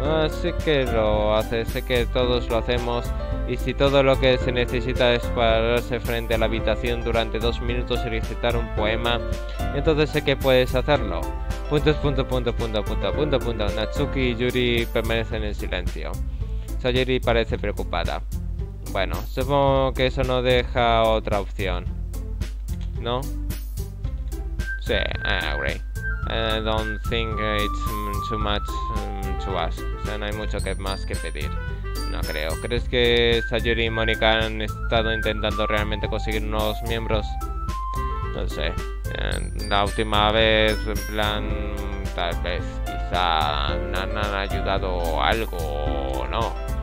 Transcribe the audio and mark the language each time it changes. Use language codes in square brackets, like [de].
[es] Sé que lo haces, sé que todos lo hacemos, y si todo lo que se necesita es pararse frente a la habitación durante 2 minutos y recitar un poema, entonces sé que puedes hacerlo. Puntos, punto, punto, punto, punto, punto, punto. Natsuki y Yuri permanecen en silencio. Sayuri parece preocupada. Bueno, supongo que eso no deja otra opción, ¿no? Sí, [en] agree. I don't think it's too much to ask. [es] O sea, no hay mucho que más que pedir. No creo. ¿Crees que Sayuri y Mónica han estado intentando realmente conseguir nuevos miembros? No sé. La última vez, en plan, tal vez, quizá, Nan han ayudado algo o no.